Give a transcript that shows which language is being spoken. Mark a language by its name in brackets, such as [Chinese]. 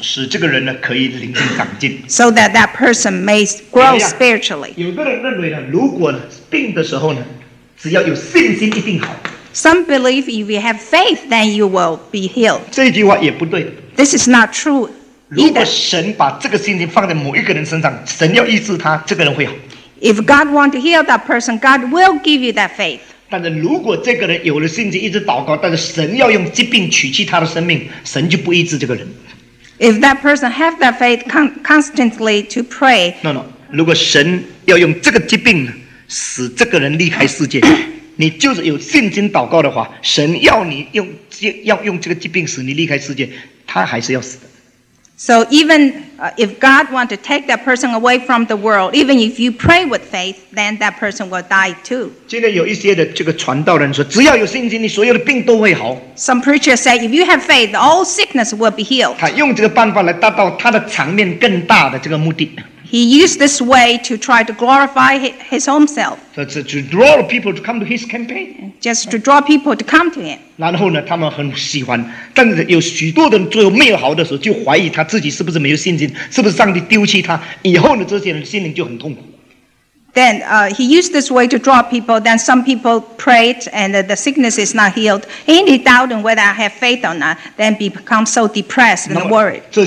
[Chinese] 使这个人呢, 可以灵性长进, [English] so that that person may grow spiritually. [Chinese] 有个人认为呢, 如果病的时候呢, 只要有信心一定好, [English] some believe if you have faith, then you will be healed. [Chinese] 这句话也不对, [English] this is not true either. [Chinese] 如果神把这个信心放在某一个人身上, 神要医治他, 这个人会好。 [English] If God wants to heal that person, God will give you that faith. [Chinese] 但是如果这个人有了信心一直祷告, 但是神要用疾病取去他的生命, 神就不医治这个人。 [English] If that person has that faith constantly to pray, no, no. [Chinese] 如果神要用这个疾病, 使这个人离开世界, 你就是有信心祷告的话, 神要用这个疾病使你离开世界, 他还是要死的。 [English] So even if God wants to take that person away from the world, even if you pray with faith, then that person will die too. [Chinese] 今天有一些的这个传道人说, 只要有信心, 你所有的病都会好。 [English] Some preachers say, if you have faith, all sickness will be healed. [Chinese] 他用这个办法来达到他的场面更大的这个目的。 [English] He used this way to try to glorify his own self. To draw people to come to his campaign. Just to draw people to come to him. [Chinese] 然后呢, 他们很喜欢, 但是有许多人最后没有好的时候, 就怀疑他自己是不是没有信心, 是不是上帝丢弃他, 以后呢, 这些人心灵就很痛苦。 [English] Then he used this way to draw people. Then some people prayed and the sickness is not healed. Any doubt on whether I have faith or not, then become so depressed and worried.